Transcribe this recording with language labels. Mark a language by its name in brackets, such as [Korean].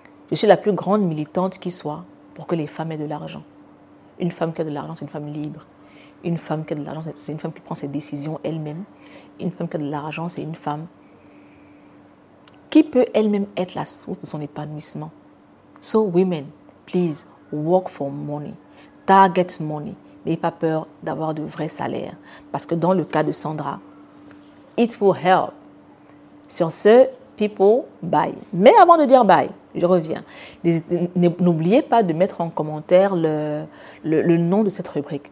[French] Je suis la plus grande militante qui soit pour que les femmes aient de l'argent. Une femme qui a de l'argent, c'est une femme libre. Une femme qui a de l'argent, c'est une femme qui prend ses décisions elle-même. Une femme qui a de l'argent, c'est une femme qui peut elle-même être la source de son épanouissement. [English] So women, please, work for money. Target money. [French] N'ayez pas peur d'avoir de vrais salaires. Parce que dans le cas de Sandra, [English] it will help. [French] Sur ce, [English] people, bye. [French] Mais avant de dire bye, je reviens. N'oubliez pas de mettre en commentaire le nom de cette rubrique.